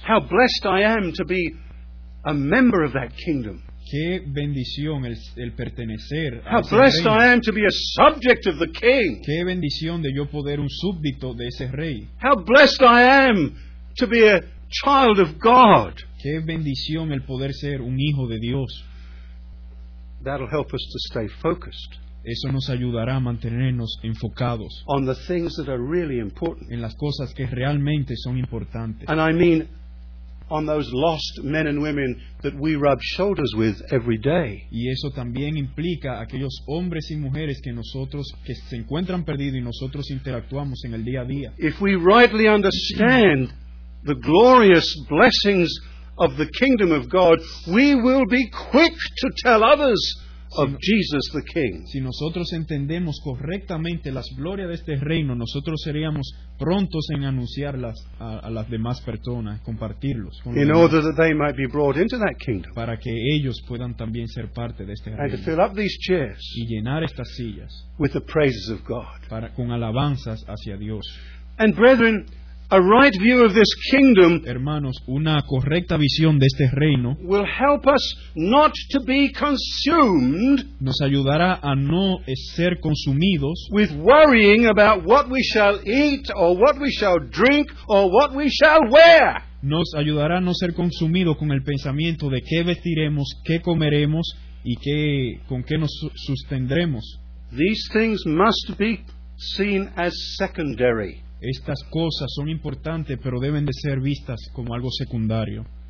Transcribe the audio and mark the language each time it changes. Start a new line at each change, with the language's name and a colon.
English: how blessed I am to be a member of that kingdom.
Spanish: Qué bendición el pertenecer.
English: How blessed I am to be a subject of the king.
Spanish: Qué bendición de yo poder un súbdito de ese rey.
English: How blessed I am to be a child of God.
Spanish: Qué bendición el poder ser un hijo de Dios.
English: That'll help us to stay focused.
Spanish: Eso nos ayudará a mantenernos enfocados
English: on the things that are really important.
Spanish: En las cosas que realmente son importantes.
English: And I mean on those lost men and women that we rub shoulders with every day.
Spanish: Y eso también implica aquellos hombres y mujeres que nosotros que se encuentran perdidos y nosotros interactuamos en el día a día.
English: If we rightly understand the glorious blessings of the kingdom of God, we will be quick to tell others of Jesus the King.
Spanish: Si nosotros entendemos correctamente las glorias de este reino, nosotros seríamos prontos en anunciarlas a las demás personas, compartirlos.
English: In order that they might be brought into that kingdom.
Spanish: Para que ellos puedan también ser parte de este reino.
English: And to fill up these chairs.
Spanish: Y llenar estas sillas.
English: With the praises of God.
Spanish: Para con alabanzas hacia Dios.
English: And brethren, a right view of this kingdom,
Spanish: hermanos, una correcta visión de este reino,
English: will help us not to be consumed,
Spanish: nos ayudará a no ser consumidos,
English: with worrying about what we shall eat or what we shall drink or what we shall wear.
Spanish: Nos ayudará a no ser consumido con el pensamiento de qué vestiremos, qué comeremos y qué con qué nos sustendremos.
English: These things must be seen as secondary.
Spanish: Estas cosas son importantes, pero deben de ser vistas como algo secundario.